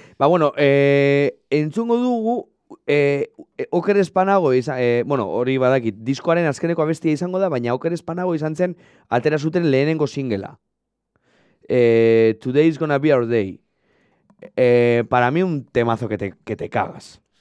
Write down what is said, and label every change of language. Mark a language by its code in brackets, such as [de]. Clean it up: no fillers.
[eu] Ba, bueno, entzungo dugu, Oker Espanago hori badakit, diskoaren azkeneko abestia izango da, baina Oker Espanago izan zen atera zuten lehenengo singela. [en] Today is gonna be our day. [es] Para mí un temazo que te cagas.